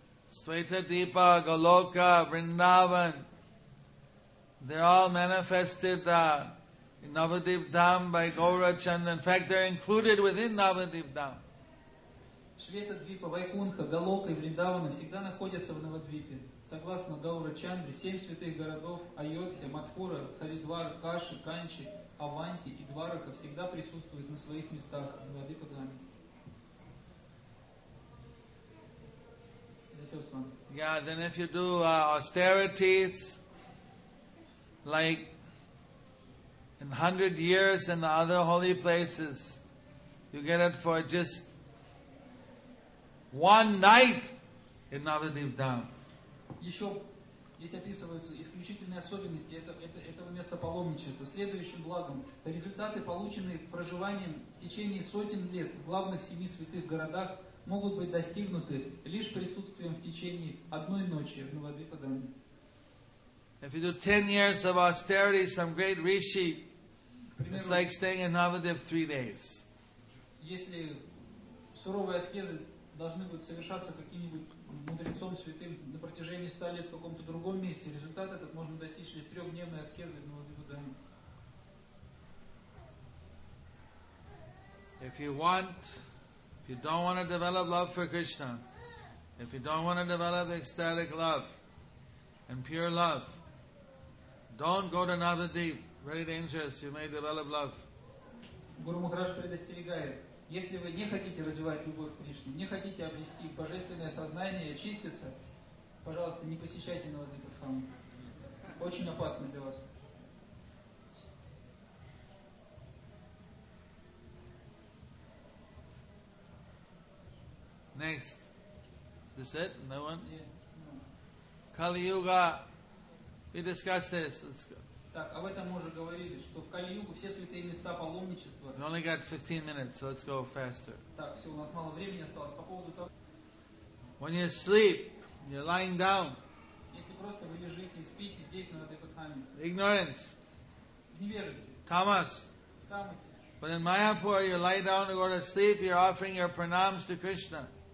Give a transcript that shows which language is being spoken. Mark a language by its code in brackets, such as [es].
[en] Sweta Deepa, Goloka, Vrindavan, they're all manifested in Navadip Dham by Gaura Chandra. In fact, they're included within Navadip Dham. [ru] Sweta Deepa, Vaikuntha, Goloka, Vrindavan, всегда находятся в Navadvipе. Согласно Гаура Чандре, семь святых городов Айодхи, Матхура, Харидвар, Каши, Канчи, Аванти и Дварака всегда присутствуют на своих местах в Навадвипа Дхаме. [en] Yeah, then if you do austerities, like in 100 years in the other holy places, you get it for just one night in Navadvip Dham. [ru] Еще здесь описываются исключительные особенности этого места паломничества. Следующим благом – результаты, полученные проживанием в течение сотен лет в главных семи святых городах, могут быть достигнуты лишь присутствием в течение одной ночи в Навадвипа Дхаме. [en] If you do 10 years of austerity, some great rishi, it's like staying in Navadvip 3 days. [ru] Если суровые аскезы должны будут совершаться каким-нибудь мудрецом святым на протяжении 100 лет в каком-то другом месте, результат этот можно достичь лишь трехдневной аскезы в Навадвипа Дхаме. [en] If you don't want to develop love for Krishna, if you don't want to develop ecstatic love and pure love, don't go to Navadvip. Very dangerous. You may develop love. [ru] Guru Maharaj предостерегает, если вы не хотите развивать любовь к Кришне, не хотите обрести божественное сознание и очиститься, пожалуйста, не посещайте Навадвипа Дхаму. Очень опасно для вас. [en] Next. This it? No one? Yeah. No. Kali Yuga. We discussed this. Let's go. [ru] Так, об этом мы уже говорили, что в Кали-Югу все святые места паломничества. [en] We only got 15 minutes, so let's go faster. [ru] Так, все, у нас мало времени осталось. По поводу того... [en] When you sleep, you're lying down. [ru] Если просто вы лежите и спите здесь, на этой подхаме. [en] Ignorance. [ru] В невежестве. [en] Tamas. [ru] В тамасе. [en] But in Mayapur, you lie down to go to sleep, you're offering your pranams to Krishna.